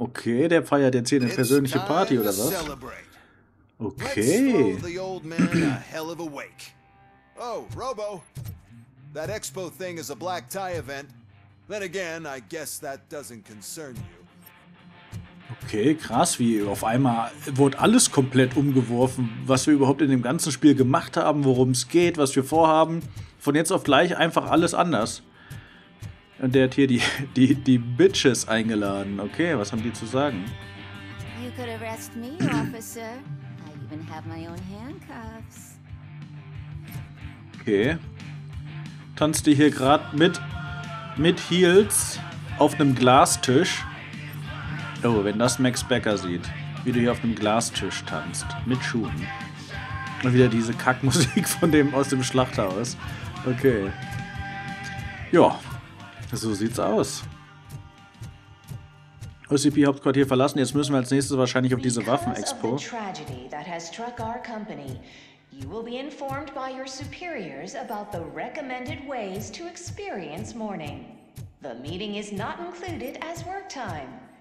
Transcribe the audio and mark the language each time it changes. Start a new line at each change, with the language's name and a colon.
German: Okay, der feiert jetzt hier eine persönliche Party, oder was?
English: Celebrate. Okay. Let's throw the old man a hell of a wake. Oh, Robo. That Expo thing is a black tie event. Then again, I guess that doesn't concern you.
German: Okay, krass, wie auf einmal wurde alles komplett umgeworfen, was wir überhaupt in dem ganzen Spiel gemacht haben, worum es geht, was wir vorhaben. Von jetzt auf gleich einfach alles anders. Und der hat hier die Bitches eingeladen. Okay, was haben die zu sagen?
English: You could arrest me, Officer. I even have my own handcuffs. Okay.
German: Tanzt die hier gerade mit Heels auf einem Glastisch. Oh, wenn das Max Becker sieht, wie du hier auf einem Glastisch tanzt, mit Schuhen. Und wieder diese Kackmusik von dem aus dem Schlachthaus. Okay. Ja, so sieht's aus. OCP-Hauptquartier verlassen, jetzt müssen wir als nächstes wahrscheinlich auf diese Waffenexpo.
English: Tragedy, that has struck our company, you will be informed by your superiors about the recommended ways to experience mourning. The meeting is not included as work time.